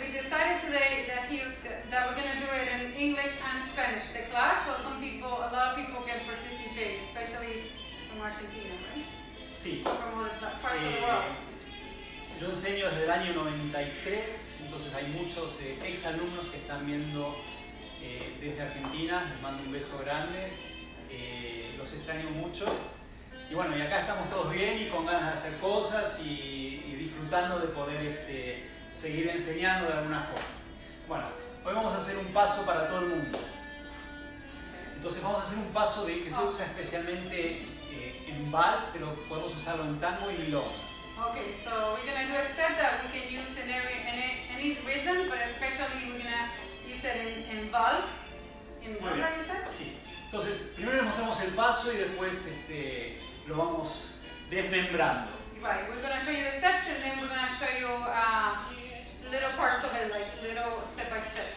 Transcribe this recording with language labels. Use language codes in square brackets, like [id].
[en] We decided today that that we're gonna do it in English and Spanish, the class, so some people, a lot of people can participate, especially from Argentina, right? [es] Sí. [en] From all the parts of the world. [es] Yo enseño desde el año 93, entonces hay muchos ex alumnos que están viendo desde Argentina. Les mando un beso grande, los extraño mucho. Y bueno, y acá estamos todos bien y con ganas de hacer cosas y disfrutando de poder seguir enseñando de alguna forma. Bueno, hoy vamos a hacer un paso para todo el mundo. Entonces vamos a hacer un paso de que se usa especialmente en vals, pero podemos usarlo en tango y milonga. [en] Okay, so we're gonna do a step that we can use in any rhythm, but especially we're gonna use it in vals. In what you said? [es] Sí. Entonces, primero les mostramos el paso y después lo vamos desmembrando. [en] Right, we're gonna show you the steps and then we're gonna show you little parts of it, like little step by step.